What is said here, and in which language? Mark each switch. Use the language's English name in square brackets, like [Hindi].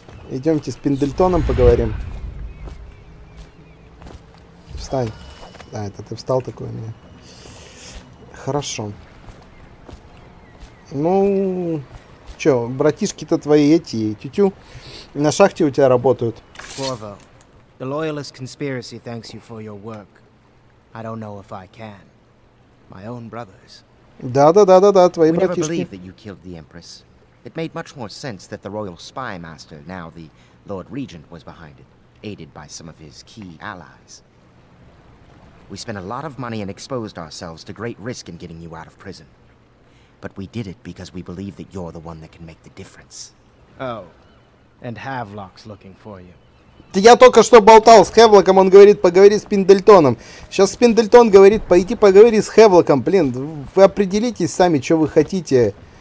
[Russian] Идемте с Пендельтоном поговорим. Встань. А, это ты встал такой у меня. Хорошо. Ну, чё, братишки-то твои эти, тю-тю, на шахте у тебя работают. [English] Corvo, the Loyalist Conspiracy thanks you for your work. I don't know if I can. My own brothers. [Russian] Да-да-да-да-да, твои [English] we [Russian] братишки. [English] We never believed that you killed the Empress. It made much more sense that the Royal Spymaster, now the Lord Regent, was behind it, aided by some of his key allies. We spent a lot of money and exposed ourselves to great risk in getting you out of prison. But we did it because we believe that you're the one that can make the difference. Oh, and Havelock's looking for you. [Russian] Я только что болтал с Хевлоком, он говорит, поговори с Пендельтоном. Сейчас Пендельтон говорит, пойди поговори с Хевлоком. Блин, вы определитесь сами, что вы хотите.